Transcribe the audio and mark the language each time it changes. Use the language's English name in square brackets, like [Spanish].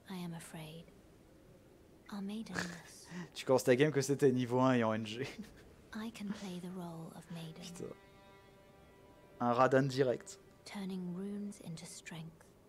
[English] I am afraid, are maidenless. [French] Tu commences ta game que c'était niveau 1 et en NG. [English] I can play the role of maiden. [French] Putain. Un Radahn direct. [English] Turning runes into strength